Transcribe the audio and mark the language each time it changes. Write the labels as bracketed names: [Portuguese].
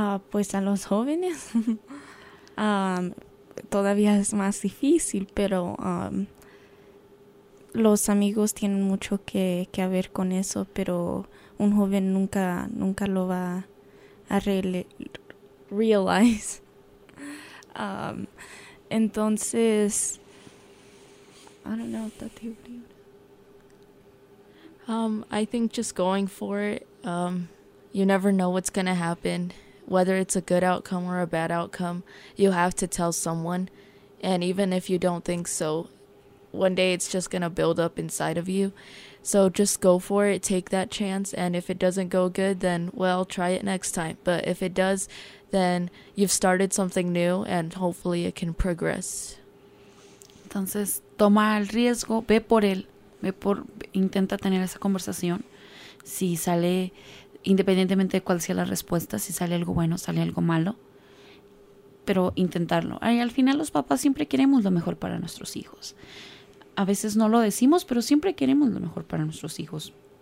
[Spanish] Pues a los jóvenes todavía es más difícil, pero los amigos tienen mucho que ver con eso, pero un joven nunca lo va a [English] realize. Entonces, I don't know if that theory. I think just going for it, you never know what's going to happen, whether it's a good outcome or a bad outcome. You have to tell someone, and even if you don't think so, one day it's just going to build up inside of you. So just go for it, take that chance, and if it doesn't go good, then, well, try it next time. But if it does, then you've started something new, and hopefully it can progress. [Spanish] Entonces, toma el riesgo, ve por él, intenta tener esa conversación. Si sale, independientemente de cuál sea la respuesta, si sale algo bueno, sale algo malo, pero intentarlo. Ay, al final los papás siempre queremos lo mejor para nuestros hijos. A veces no lo decimos, pero siempre queremos lo mejor para nuestros hijos.